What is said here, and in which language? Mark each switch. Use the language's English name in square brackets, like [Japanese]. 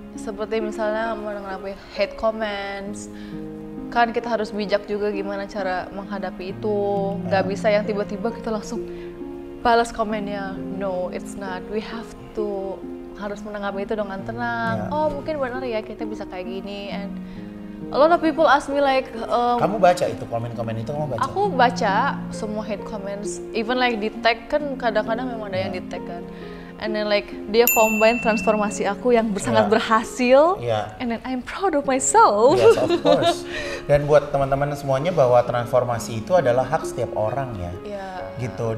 [Indonesian] Seperti misalnya menanggapi hate comments, kan kita harus bijak juga gimana cara menghadapi itu. Gak bisa yang tiba-tiba kita langsung balas komennya. [English] No, it's not. We have to [Indonesian] harus menanggapi itu dengan tenang. Yeah. Oh, mungkin benar ya kita bisa kayak gini. [English] And a lot of people ask me like, [Indonesian] kamu baca itu komen-komen itu, kamu baca? Aku baca semua hate comments. [English] Even like [Indonesian] di tag kan kadang-kadang memang ada yang di tag kan. [English] And then like [Indonesian] dia combine transformasi aku yang sangat berhasil. [English] And then I'm proud of myself. Yes, of course. [Indonesian] Dan buat teman-teman semuanya bahwa transformasi itu adalah hak setiap orang ya. Gitu.